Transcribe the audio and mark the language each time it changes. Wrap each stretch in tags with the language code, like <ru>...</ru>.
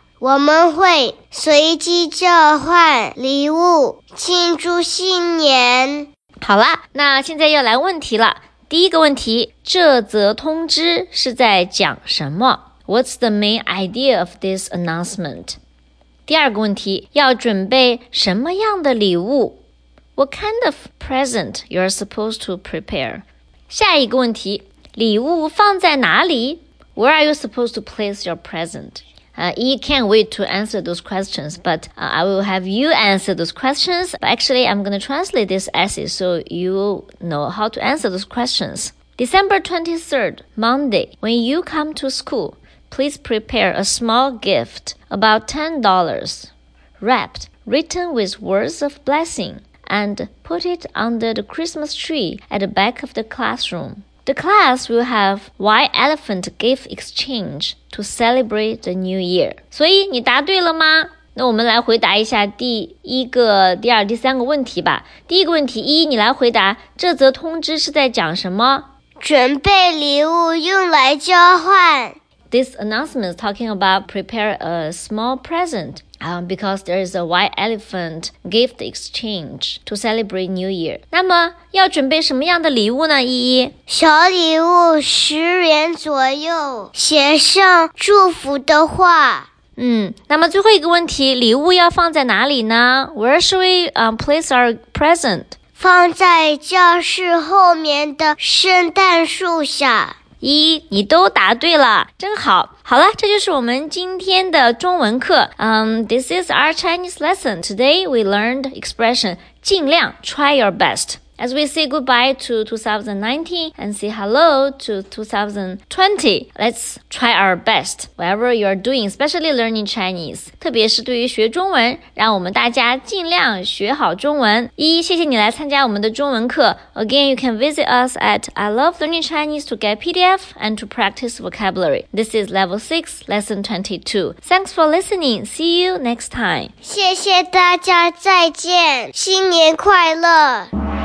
<zh>我们会随机交换礼物，庆祝新年。好了，那现在要来问题了。第一个问题，这则通知是在讲什么？</zh> <en>What's the main idea of this announcement?</en> <zh>第二个问题，要准备什么样的礼物？</zh> <en>What kind of present you're supposed to prepare?</en> <zh>下一个问题，礼物放在哪里？</zh> <en>Where are you supposed to place your present? I can't wait to answer those questions, but I will have you answer those questions. But actually, I'm going to translate this essay so you know how to answer those questions. December 23rd, Monday, when you come to school,Please prepare a small gift, about $10, wrapped, written with words of blessing, and put it under the Christmas tree at the back of the classroom. The class will have white elephant gift exchange to celebrate the new year.</en> <zh>所以你答对了吗？那我们来回答一下第一个、第二、第三个问题吧。第一个问题，一，你来回答，这则通知是在讲什么？准备礼物用来交换。</zh> <en>This announcement is talking about prepare a small present, because there is a white elephant gift exchange to celebrate New Year.</en> <zh>那么要准备什么样的礼物呢？依依，小礼物10元左右，写上祝福的话。那么最后一个问题，礼物要放在哪里呢？</zh> <en>Where should we place our present?</en> <zh>放在教室后面的圣诞树下。一，你都答对了，真好。好了，这就是我们今天的中文课。</zh> <en>This is our Chinese lesson. Today we learned expression 尽量 try your best. As we say goodbye to 2019 and say hello to 2020, let's try our best. Whatever you are doing, especially learning Chinese,</en> <zh>特别是对于学中文，让我们大家尽量学好中文。依依，谢谢你来参加我们的中文课。</zh> <en>Again, you can visit us at I Love Learning Chinese to get PDF and to practice vocabulary. This is Level 6, Lesson 22. Thanks for listening. See you next time.</en> <zh>谢谢大家，再见，新年快乐。</zh>